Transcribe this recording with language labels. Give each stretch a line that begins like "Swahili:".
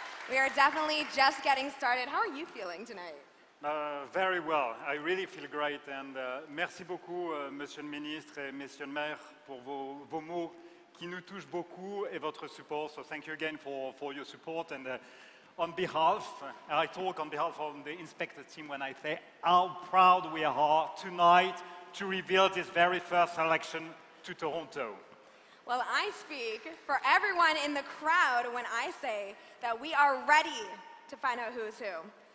English: We are definitely just getting started. How are you feeling tonight? Very well. I really feel great.
French: And merci beaucoup, Monsieur le Ministre et Monsieur le Maire, pour vos mots qui nous touchent beaucoup et votre support.
English: So thank you again for your support. And I talk on behalf of the inspector team when I say how proud we are tonight to reveal this very first election to Toronto. Well, I speak for everyone in the crowd when I say that we are ready to find out who is who.